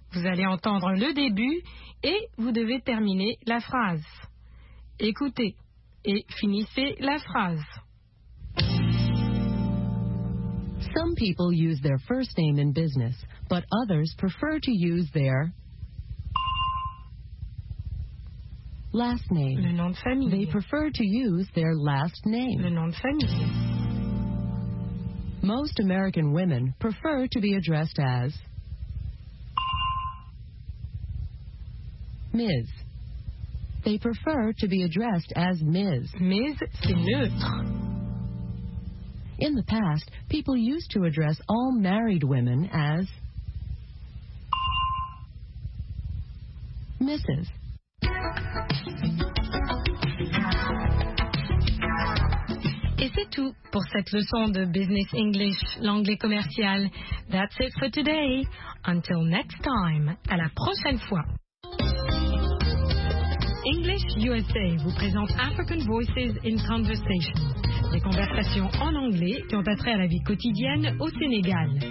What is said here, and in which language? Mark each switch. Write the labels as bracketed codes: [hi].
[fr] Vous allez entendre le début et vous devez terminer la phrase. Écoutez et finissez la phrase. [en] Some people use their first name in business, but others prefer to use their last name. [fr] Le nom de famille. [en] They prefer to use their last name. [fr] Le nom de famille. [en] Most American women prefer to be addressed as Ms. They prefer to be addressed as Ms. [fr] Ms, c'est neutre. [en] In the past, people used to address all married women as Mrs. [fr] Et c'est tout pour cette leçon de Business English, l'anglais commercial. [en] That's it for today. Until next time, [fr] à la prochaine fois. English USA vous présente African Voices in Conversation, des conversations en anglais qui ont trait à la vie quotidienne au Sénégal.